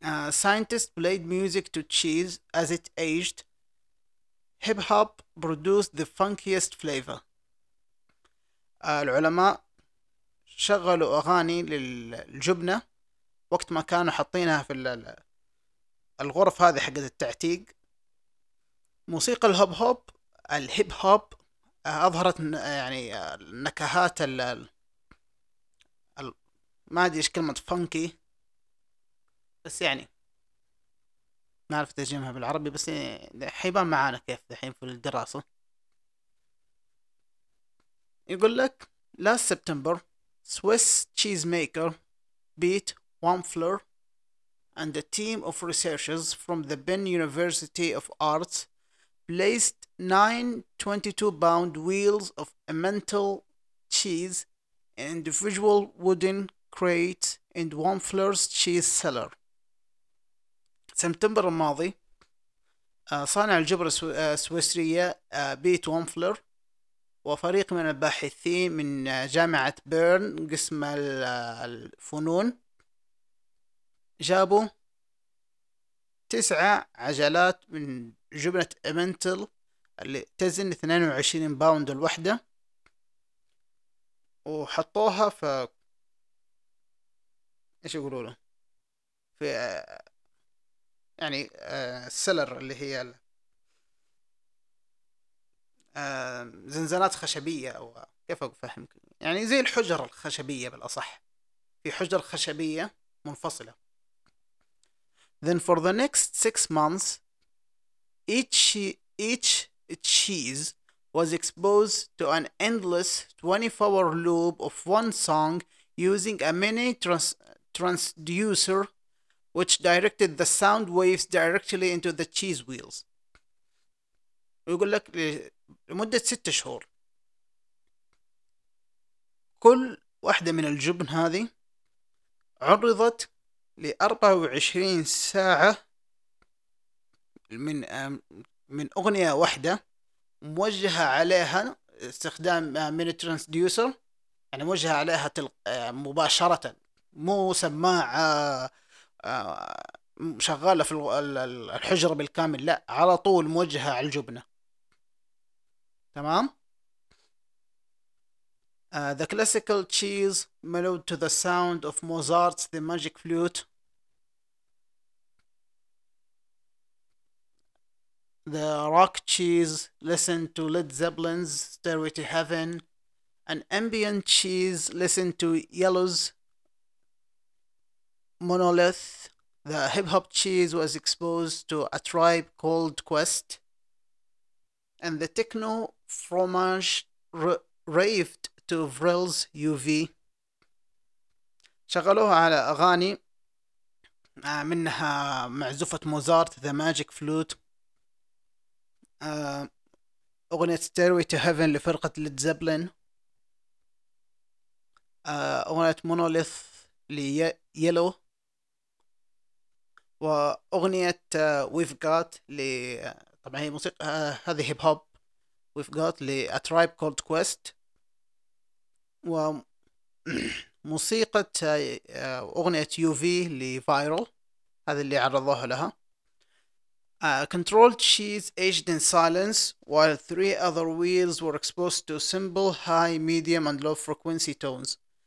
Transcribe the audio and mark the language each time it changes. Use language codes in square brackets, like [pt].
[en] Scientists played music to cheese as it aged. Hip hop produced the funkiest flavor. [ar] العلماء شغلوا أغاني للجبنة وقت ما كانوا حاطينها في الغرف هذه حقت التعتيق. موسيقى الهوب هوب الهيب هوب أظهرت يعني النكهات ما أدري إيش كلمة فانكي، بس يعني ما أعرف ترجمها بالعربي، بس حيبان معانا كيف الحين في الدراسة. يقول لك [en] last September Swiss cheese maker beat Wampfler and a team of researchers from the Bern University of Arts placed 9 22-pound wheels of Emmental cheese in individual wooden crates in Wampfler's cheese cellar. [ar] سبتمبر الماضي صانع الجبر السويسري بيت وامفلر وفريق من الباحثين من جامعة بيرن قسم الفنون جابوا 9 عجلات من جبنة إمنتل اللي تزن 22 باوند الوحدة، وحطوها في إيش يقولوا له، في يعني السلر اللي هي زنزانات خشبية، أو كيف أفهم، يعني زي الحجر الخشبية بالأصح، في حجر خشبية منفصلة. [en] Then for the next 6 months each cheese was exposed to an endless 24-hour loop of one song using a mini transducer which directed the sound waves directly into the cheese wheels. [ar] ويقول لك لمدة 6 شهور كل واحدة من الجبن هذه عرضت ل24 ساعة من أغنية واحدة موجهة عليها استخدام ميني ترانسديوسر، يعني موجهة عليها مباشرة، مو سماعة شغالة في الحجرة بالكامل، لا على طول موجهة على الجبنة. تمام. [en] The classical cheese mellowed to the sound of Mozart's The Magic Flute. The Rock Cheese, Listen to Led Zeppelin's Stairway to Heaven, An Ambient Cheese, Listen to Yellow's Monolith. The Hip Hop Cheese was exposed to A Tribe Called Quest, and the Techno Fromage raved to Vril's UV. [ar] شغلوها على أغاني منها معزوفة موزارت The Magic Flute, أغنية Stairway to Heaven لفرقة ليد زيبلين, أغنية مونوليث ليلو, وأغنية We've Got ل طبعا هي موسيقى هذه هيب هوب, We've Got ل A Tribe Called Quest, وموسيقى أغنية يو في لفايرل هذا اللي عرضوها لها. [en] Controlled cheese aged in silence while three other wheels were exposed to simple high medium and low frequency tones.